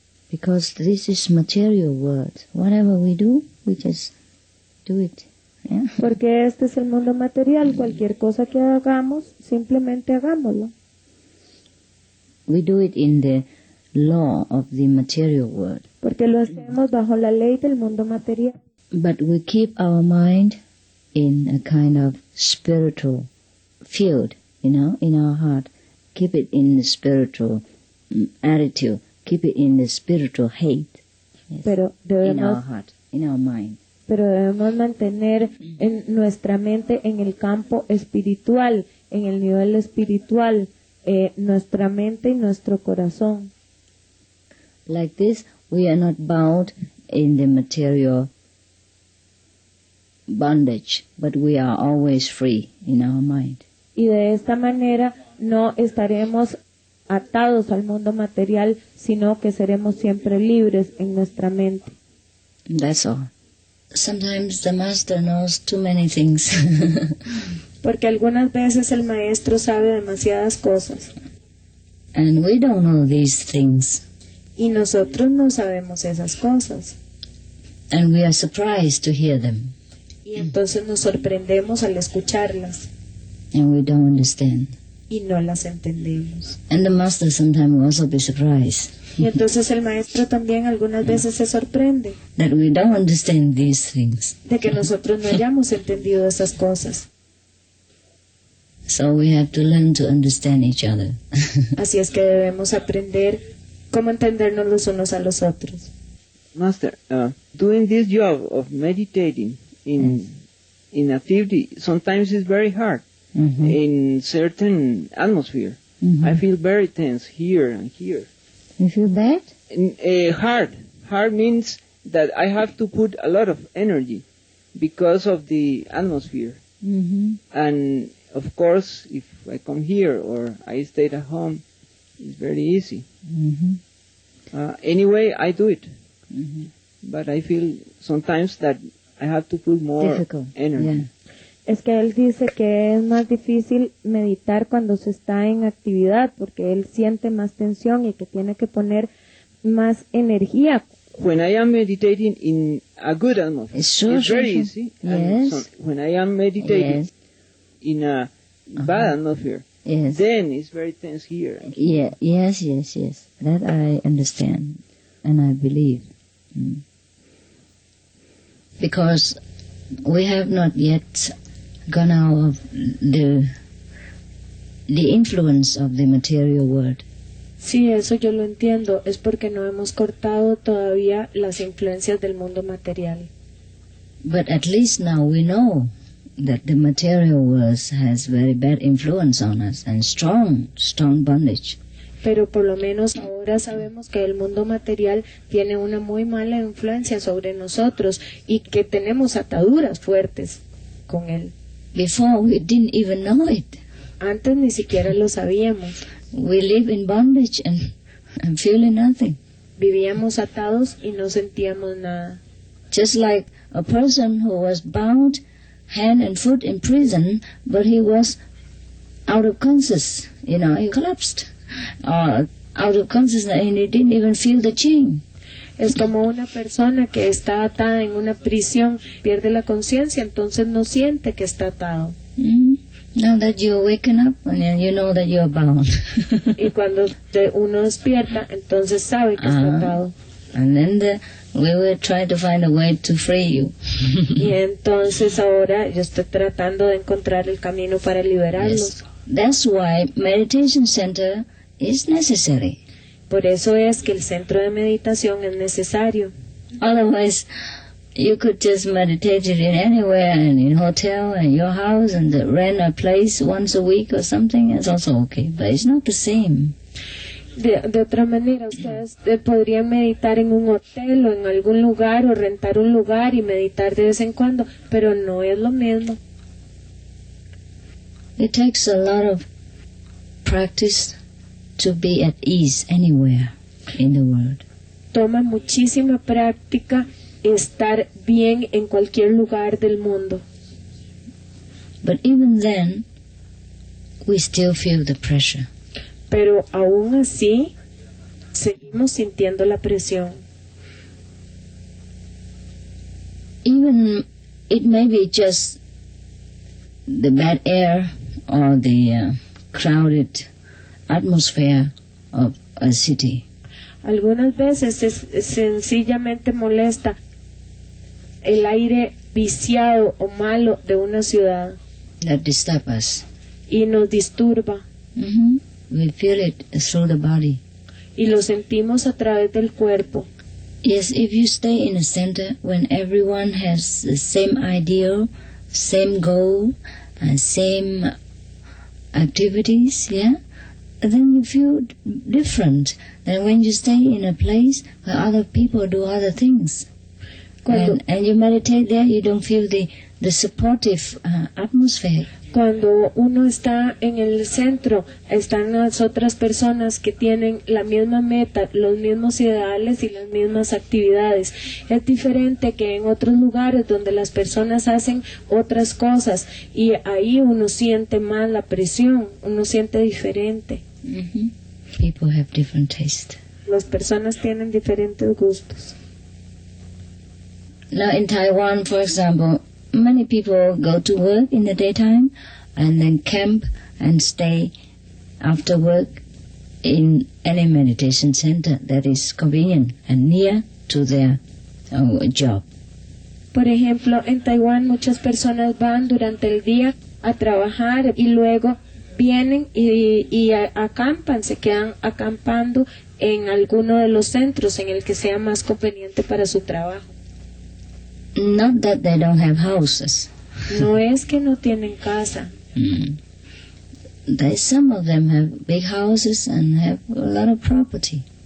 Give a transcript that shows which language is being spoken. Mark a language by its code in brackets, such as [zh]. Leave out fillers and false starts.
[en] Because this is material world. Whatever we do, we just do it. Yeah? [es] Porque este es el mundo material. Cualquier cosa que hagamos, simplemente hagámoslo. [en] We do it in the law of the material world. [es] Porque lo hacemos bajo la ley del mundo material. [en] But we keep our mind in a kind of spiritual field, you know, in our heart. Keep it in the spiritual attitude. Keep it in the spiritual hate. Yes. [es] Pero debemos, [en] in our heart, in our mind. [es] Pero debemos mantener en nuestra mente en el campo espiritual, en el nivel espiritual. Nuestra mente y nuestro corazón. [en] Like this, we are not bound in the material bondage, but we are always free in our mind. [es] Y de esta manera no estaremos atados al mundo material, sino que seremos siempre libres en nuestra mente. [en] That's all. Sometimes the master knows too many things. [es] Porque algunas veces el maestro sabe demasiadas cosas. [en] And we don't know these things. [es] Y nosotros no sabemos esas cosas. [en] And we are surprised to hear them. [es] Y entonces nos sorprendemos al escucharlas. [en] And we don't understand. [es] Y no las entendemos. [en] And the master sometimes will also be surprised. [es] Y entonces el maestro también algunas veces se sorprende. [en] That we don't understand these things. [es] De que nosotros no hayamos entendido esas cosas. [en] So we have to learn to understand each other. [es] Así es que debemos aprender cómo entendernos los unos a los otros. [en] Master, doing this job of meditating in a field sometimes is very hard. Mm-hmm. In certain atmosphere, mm-hmm. I feel very tense here and here. You feel bad? Hard. Hard means that I have to put a lot of energy because of the atmosphere. Mm-hmm. And of course, if I come here or I stay at home, it's very easy. Mm-hmm. Anyway, I do it. Mm-hmm. But I feel sometimes that I have to put more energy. Yeah. [es] Es que él dice que es más difícil meditar cuando se está en actividad, porque él siente más tensión y que tiene que poner más energía. [en] When I am meditating in a good atmosphere, it's very easy. Yes. When I am meditating... Yes. In a bad atmosphere, yes. Then it's very tense here. Yeah, yes. That I understand and I believe. Mm. Because we have not yet gone out of the influence of the material world. [es] Sí, eso yo lo entiendo. Es porque no hemos cortado todavía las influencias del mundo material. [en] But at least now we know that the material world has very bad influence on us and strong bondage. [es] Pero por lo menos ahora sabemos que el mundo material tiene una muy mala influencia sobre nosotros y que tenemos ataduras fuertes con él. [en] Before we didn't even know it. [es] Antes ni siquiera lo sabíamos. [en] We live in bondage and feeling nothing. [es] Vivíamos atados y no sentíamos nada. [en] Just like a person who was bound hand and foot in prison, but he was out of consciousness, you know, he collapsed. Out of consciousness, and he didn't even feel the chain. [es] Es como una persona que está atada en una prisión, pierde la conciencia, entonces no siente que está atado. [en] Now that you awaken up, and you know that you are bound. [es] Y cuando uno despierta, entonces sabe que está atado. [en] And then we will try to find a way to free you. [es] Y entonces ahora yo estoy tratando de encontrar el camino para liberarlos. [en] Yes. That's why meditation center is necessary. [es] Por eso es que el centro de meditación es necesario. [en] Otherwise, you could just meditate in anywhere, and in hotel, and your house, and rent a place once a week or something. It's also okay, but it's not the same. [es] De otra manera, ustedes podrían meditar en un hotel o en algún lugar o rentar un lugar y meditar de vez en cuando, pero no es lo mismo. [en] It takes a lot of practice to be at ease anywhere in the world. [es] Toma muchísima práctica estar bien en cualquier lugar del mundo. [en] But even then, we still feel the pressure. [es] Pero aún así, seguimos sintiendo la presión. [en] Even it may be just the bad air or the crowded atmosphere of a city. [es] Algunas veces es sencillamente molesta el aire viciado o malo de una ciudad. [en] That disturb us. [es] Y nos disturba. [en] We feel it through the body. [es] Y lo sentimos a través del cuerpo. [en] Yes, if you stay in a center when everyone has the same ideal, same goal, and same activities, yeah, then you feel different than when you stay in a place where other people do other things. And you meditate there, you don't feel the supportive atmosphere. [es] Cuando uno está en el centro, están las otras personas que tienen la misma meta, los mismos ideales y las mismas actividades. Es diferente que en otros lugares donde las personas hacen otras cosas y ahí uno siente más la presión, uno siente diferente. [en] People have different tastes. [es] Las personas tienen diferentes gustos. [en] Now in Taiwan, for example, many people go to work in the daytime and then camp and stay after work in any meditation center that is convenient and near to their job. [es] Por ejemplo, en Taiwán muchas personas van durante el día a trabajar y luego vienen y acampan, se quedan acampando en alguno de los centros en el que sea más conveniente para su trabajo. [en] Not that they don't have houses. [es] No es que no tienen casa. [en] Some of them have big houses and have a lot of property.